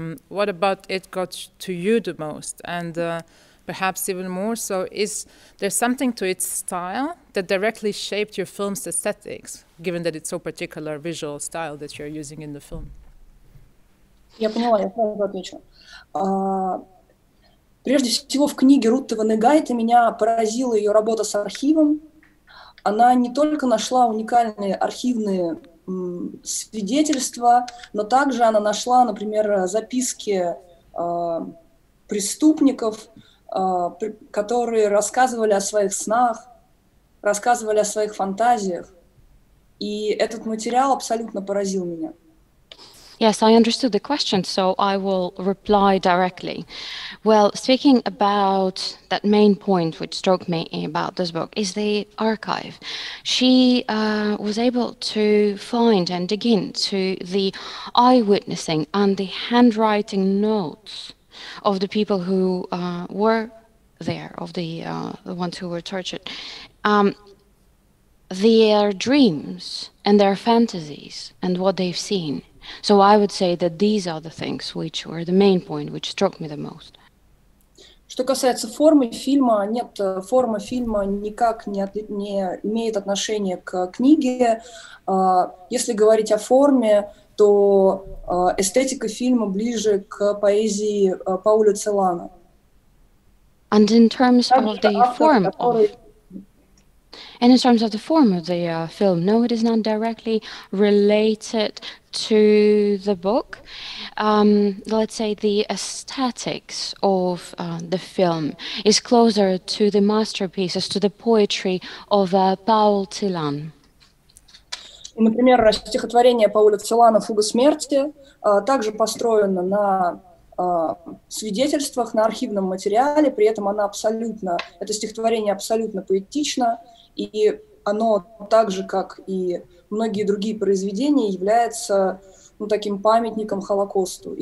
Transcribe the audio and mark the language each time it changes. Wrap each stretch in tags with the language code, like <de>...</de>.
<en>What about it got to you the most? And perhaps even more so, is there something to its style that directly shaped your film's aesthetics, given that it's so particular visual style that you're using in the film?</en> <ru>Я поняла, я сразу отвечу. Прежде всего, в книге Рутты Ванегайте меня поразила ее работа с архивом. Она не только нашла уникальные архивные свидетельства, но также она нашла, например, записки преступников, которые рассказывали о своих снах, рассказывали о своих фантазиях. И этот материал абсолютно поразил меня.</ru> <en>Yes, I understood the question, so I will reply directly. Well, speaking about that main point which struck me about this book is the archive. She was able to find and dig into the eyewitnessing and the handwriting notes of the people who were there, of the ones who were tortured, their dreams and their fantasies and what they've seen. So I would say that these are the things which were the main point which struck me the most.</en> <ru>Что касается формы фильма, нет, форма фильма никак не имеет отношения к книге. Если говорить о форме, то эстетика фильма ближе к поэзии Пауля Целана.</ru> <en>And in terms of the form of the film, no, it is not directly related to the book. Let's say the aesthetics of the film is closer to the masterpieces, to the poetry of Paul Celan.</en> <ru>Например, стихотворение Пауля Целана «Фуга смерти» также построено на свидетельствах, на архивном материале, при этом она абсолютно, это стихотворение абсолютно поэтично, и оно так же, как и многие другие произведения, является, ну, таким памятником Холокосту.</ru>